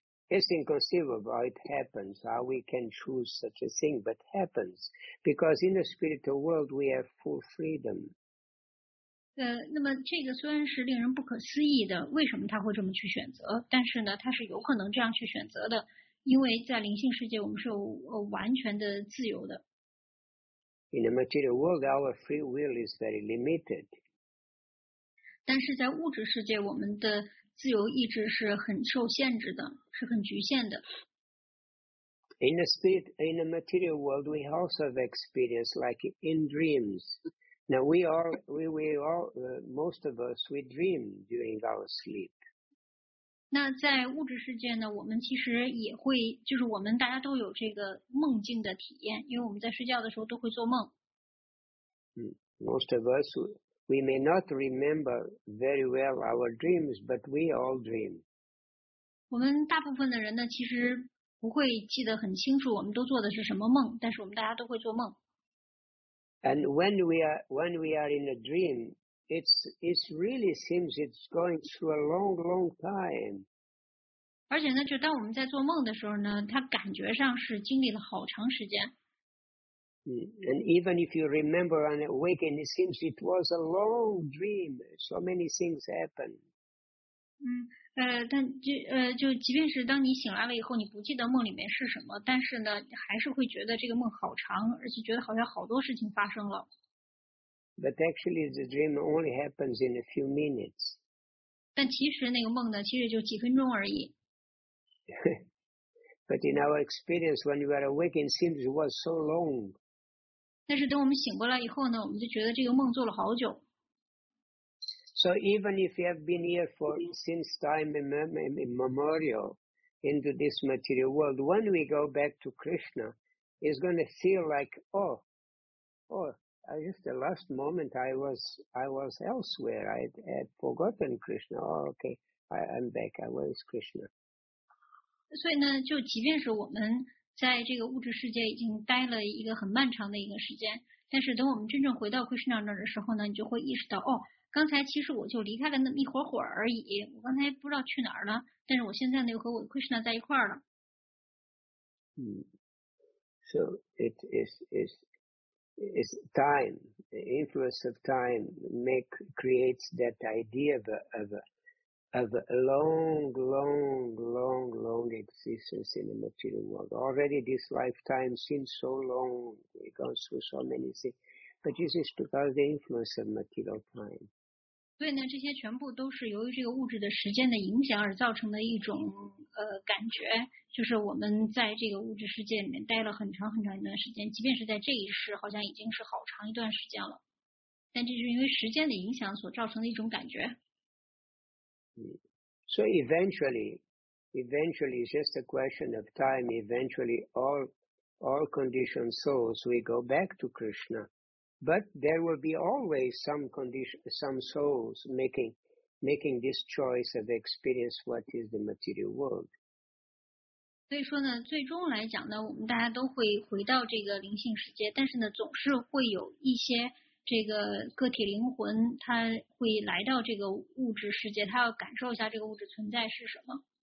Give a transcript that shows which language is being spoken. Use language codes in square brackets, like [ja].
[en] It's inconceivable, it happens, how we can choose such a thing, but happens, because in the spiritual world we have full freedom. [zh] 那么这个虽然是令人不可思议的，为什么他会这么去选择，但是呢，他是有可能这样去选择的，因为在灵性世界我们是有完全的自由的。 [en] In the material world, our free will is very limited. [zh] 但是在物质世界我们的自由意志是很受限制的，是很局限的。 [en] In the material world, we also have experience like in dreams. Now most of us, we dream during our sleep. [zh] 那在物质世界呢，我们其实也会，就是我们大家都有这个梦境的体验，因为我们在睡觉的时候都会做梦。 [en] Most of us, we may not remember very well our dreams, but we all dream. [zh] 我们大部分的人呢，其实不会记得很清楚我们都做的是什么梦，但是我们大家都会做梦。 [en] And when we are in a dream, it really seems it's going through a long, long time. [zh] 而且呢，就当我们在做梦的时候呢，它感觉上是经历了好长时间。 [en] And even if you remember and awaken, it seems it was a long dream. So many things happen. [zh] 但即便是当你醒来了以后，你不记得梦里面是什么，但是呢，还是会觉得这个梦好长，而且觉得好像好多事情发生了。 [en] But actually, the dream only happens in a few minutes. [zh] 但其实那个梦呢，其实就几分钟而已。 [en] But in our experience, when you are awakened, it seems it was so long. [zh] 但是等我们醒过来以后呢，我们就觉得这个梦做了好久。 [en] So even if you have been here since time immemorial into this material world, when we go back to Krishna, it's going to feel like, just the last moment I was elsewhere. I had forgotten Krishna. Oh, okay, I'm back. I was Krishna. [zh] 所以呢，就即便是我们在这个物质世界已经待了一个很漫长的一个时间，但是等我们真正回到 Krishna 那儿的时候呢，你就会意识到，哦，刚才其实我就离开了那么一会儿会儿而已，我刚才不知道去哪儿了，但是我现在呢又和我 Krishna 在一块儿了。 [en] So it is time, the influence of time creates that idea of a long, long, long, long existence in the material world. Already this lifetime seems so long, it goes through so many things. But this is because of the influence of material time. [zh] 所以呢，这些全部都是由于这个物质的时间的影响而造成的一种感觉，就是我们在这个物质世界里面待了很长很长一段时间，即便是在这一世，好像已经是好长一段时间了。但这是因为时间的影响所造成的一种感觉。 [en] So eventually, it's just a question of time. Eventually, all conditioned souls we go back to Krishna, but there will be always some souls making this choice of experience what is the material world. [zh] 所以说呢，最终来讲呢，我们大家都会回到这个灵性世界，但是呢，总是会有一些。这个个体灵魂他会来到这个物质世界，他要感受一下这个物质存在是什么。